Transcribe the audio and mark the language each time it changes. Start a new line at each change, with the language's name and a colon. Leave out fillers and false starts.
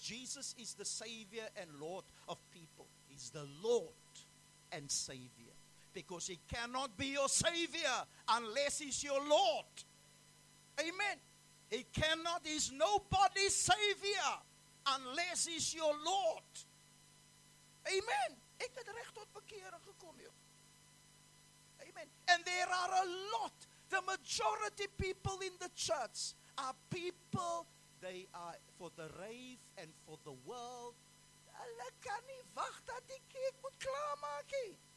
English: Jesus is the Savior and Lord of people. He's the Lord and Savior. Because He cannot be your Savior unless He's your Lord. Amen. He cannot, He's nobody's Savior unless He's your Lord. Amen.
Afrikaans: Ek het reg tot bekering gekom, joh.
English: Amen. And there are a lot. The majority people in the church are people, they are for the rave and for the world.
Afrikaans: Hulle kan nie wag dat die kerk moet klaar maak nie.